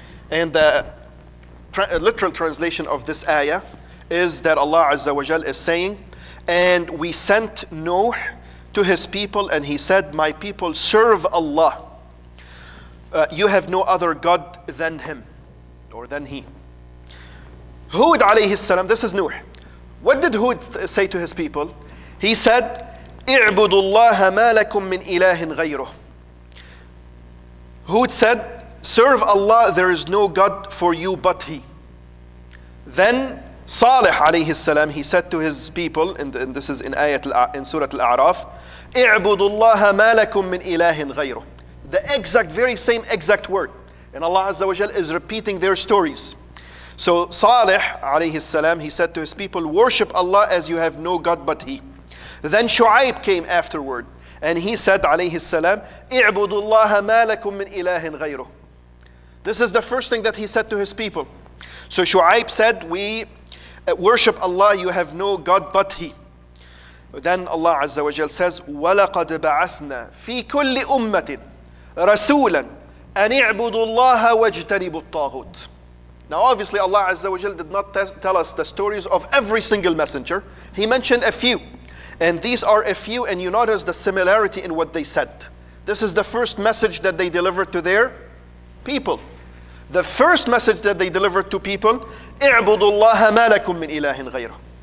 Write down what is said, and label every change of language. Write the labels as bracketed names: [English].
[English] And the literal translation of this ayah is that Allah Azza wa Jal is saying, and we sent Nuh to his people and he said, my people serve Allah. You have no other God than him or than he. Hud alayhi salam, this is Nuh. What did Hud say to his people? He said, [Arabic] اِعْبُدُ اللَّهَ مَا لَكُمْ مِنْ إِلَهٍ غَيْرُهُ. [English] Hud said, serve Allah, there is no God for you but he. Then Salih alayhi salam, he said to his people, and this is in ayat in Surah Al-A'raf, [Arabic] اِعْبُدُ اللَّهَ مَا لَكُمْ مِنْ إِلَهٍ غَيْرُهُ. [English] The exact, very same exact word. And Allah Azza wa Jal is repeating their stories. So Salih alayhi salam, he said to his people, worship Allah as you have no God but he. Then Shu'aib came afterward. And he said alayhi salam, [Arabic] اِعْبُدُ اللَّهَ مَا لَكُمْ مِنْ إِلَهٍ غَيْرُهُ. [English] This is the first thing that he said to his people. So Shu'aib said, we worship Allah, you have no God but he. Then Allah Azza wa Jal says, [Arabic] وَلَقَدْ بَعَثْنَا فِي كُلِّ أُمَّةٍ رَسُولًا أَنْ اِعْبُدُ اللَّهَ وَاجْتَنِبُ الطَّاغُوتِ. [English] Now obviously Allah Azza wa Jal did not tell us the stories of every single messenger. He mentioned a few. And these are a few, and you notice the similarity in what they said. This is the first message that they delivered to their people. The first message that they delivered to people, [Arabic] اِعْبُدُ اللَّهَ مَا لَكُمْ مِنْ إِلَهٍ غَيْرُهُ.